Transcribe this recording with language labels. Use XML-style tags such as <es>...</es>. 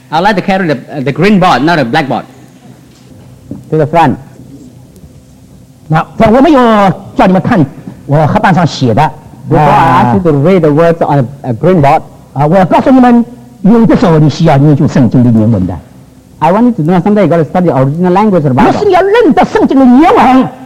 <en>I'd like to carry the green board, not a blackboard. To the front.</en> <zh>那我没有叫你们看我黑板上写的。</zh> <en>Before I ask you to read the words on a green board.</en> <zh>我要告诉你们。有的时候你需要研究圣经的原文的。</zh> <en>I want you to know something. You got to study the original language of the Bible.</en> <zh>要是你要认得圣经的原文。</zh>